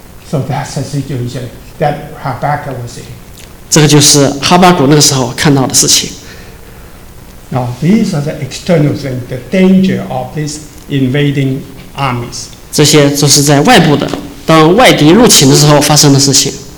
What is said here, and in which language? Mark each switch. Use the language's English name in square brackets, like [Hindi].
[English] So that's the situation that Habakkuk was in. [Chinese] 这个就是哈巴谷那个时候看到的事情。 [English] Now these are the external things, the danger of these invading armies. [Chinese] 这些就是在外部的，当外敌入侵的时候发生的事情。